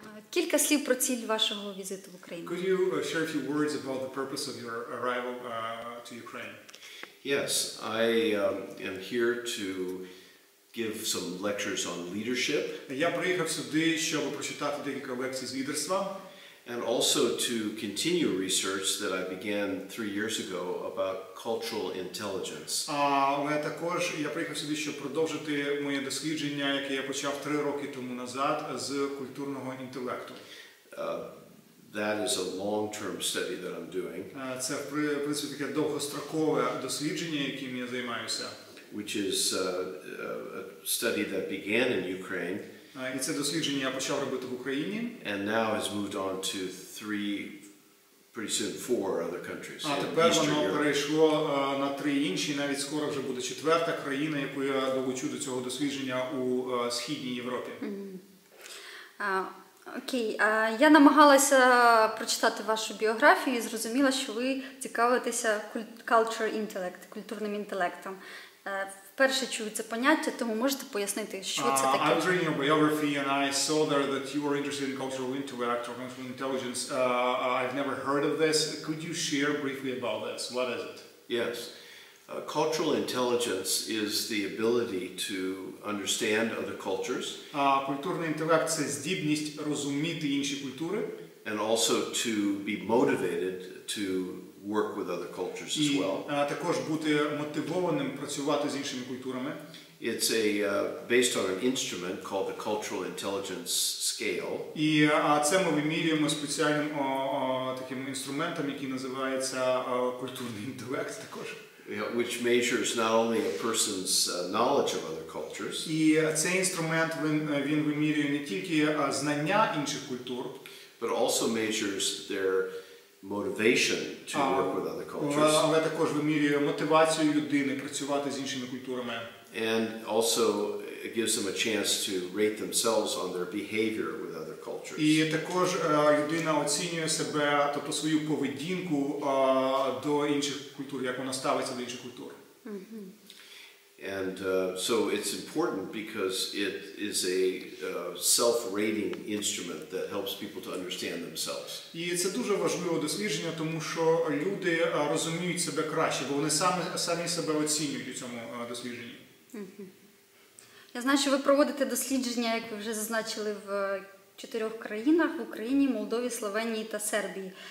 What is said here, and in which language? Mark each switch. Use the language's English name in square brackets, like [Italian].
[Ukrainian] Кілька слів про ціль вашого візиту в Україну. [English] Could you share a few words about the purpose of your arrival to Ukraine? Yes, I am here to give some lectures on leadership. [Ukrainian] Я приїхав сюди, щоб прочитати декілька лекцій з лідерства. [English] And also to continue research that I began 3 years ago about cultural intelligence. [Ukrainian] Але також я приїхав сюди, щоб продовжити моє дослідження, яке я почав 3 роки тому назад, з культурного інтелекту. [English] That is a long-term study that I'm doing. [Ukrainian] Це, в принципі, таке довгострокове дослідження, яким я займаюся. [English] Which is a study that began in Ukraine. [Ukrainian] І це дослідження я почав робити в Україні. [English] And now has moved on to 3, pretty soon 4 other countries. [Ukrainian] А тепер воно перейшло на 3 інші, навіть скоро вже буде 4-та країна, яку я долучу до цього дослідження у Східній Європі. Окей, я намагалася прочитати вашу біографію і зрозуміла, що ви цікавитеся [English] culture intellect, [Ukrainian] культурним інтелектом. Вперше чую це поняття, тому можете пояснити, що це таке? [English] I was reading your biography and I saw there that you were interested in cultural intellect or cultural intelligence. I've never heard of this. Could you share briefly about this? What is it? Yes. Cultural intelligence is the ability to understand other cultures. [Ukrainian] Культурний інтелект – це здібність розуміти інші культури. [English] And also to be motivated to work with other cultures as well. [Ukrainian] І також бути мотивованим працювати з іншими культурами. [English] It's based on an instrument called the cultural intelligence scale. [Ukrainian] І це ми вимірюємо спеціальним таким інструментом, який називається культурний інтелект також. [English] Which measures not only a person's knowledge of other cultures. [Ukrainian] І цей інструмент він вимірює не тільки знання інших культур, [English] but also measures their motivation to work with other cultures. [Ukrainian] Але також вимірює мотивацію людини працювати з іншими культурами. [English] And also it gives them a chance to rate themselves on their behavior with other cultures. [Ukrainian] І також людина оцінює себе, тобто свою поведінку до інших культур, як вона ставиться до інших культур. [English] And so it's important because it is a self-rating instrument that helps people to understand themselves. [Ukrainian] І це дуже важливе дослідження, тому що люди розуміють себе краще, бо вони самі себе оцінюють у цьому дослідженні. Я знаю, що ви проводите дослідження, як ви вже зазначили, в 4 країнах – в Україні, Молдові, Словенії та Сербії.